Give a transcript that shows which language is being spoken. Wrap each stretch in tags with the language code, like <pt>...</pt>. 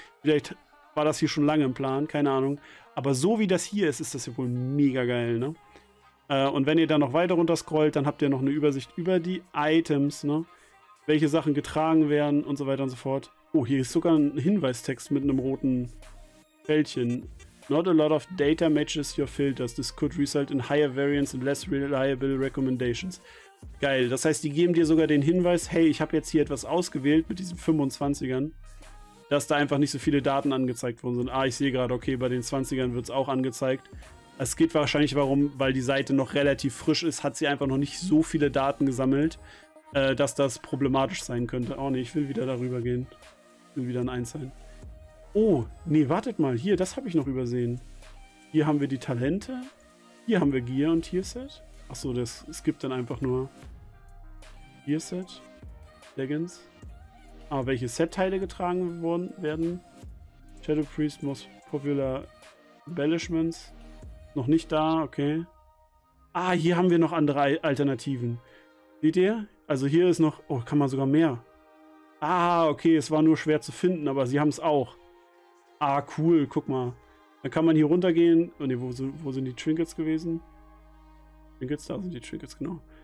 <de>Vielleicht war das hier schon lange im Plan, keine Ahnung. Aber so wie das hier ist, ist das ja wohl mega geil. Ne? Und wenn ihr dann noch weiter runter scrollt, dann habt ihr noch eine Übersicht über die Items, ne? Welche Sachen getragen werden und so weiter und so fort. Oh, hier ist sogar ein Hinweistext mit einem roten Fältchen.</de> <en>Not a lot of data matches your filters. This could result in higher variance and less reliable recommendations.</en> <de>Geil, das heißt, die geben dir sogar den Hinweis, hey, ich habe jetzt hier etwas ausgewählt mit diesen 25ern, dass da einfach nicht so viele Daten angezeigt worden sind. Ah, ich sehe gerade, okay, bei den 20ern wird es auch angezeigt. Es geht wahrscheinlich warum, weil die Seite noch relativ frisch ist, hat sie einfach noch nicht so viele Daten gesammelt, dass das problematisch sein könnte. Oh ne, ich will wieder darüber gehen. Ich will wieder ein 1 sein. Oh, nee, wartet mal. Hier, das habe ich noch übersehen. Hier haben wir die Talente. Hier haben wir Gear und Tierset. Achso, es gibt dann einfach nur Tierset, Leggings. Ah, welche Set-Teile getragen werden.</de> <en>Shadow Priest, Most Popular Embellishments.</en> <de>Noch nicht da, okay. Ah, hier haben wir noch andere Alternativen. Seht ihr? Also hier ist noch... Oh, kann man sogar mehr. Ah, okay, es war nur schwer zu finden, aber sie haben es auch. Ah, cool, guck mal. Dann kann man hier runtergehen. Oh ne, wo sind die Trinkets gewesen? Trinkets, da sind die Trinkets, genau.</de>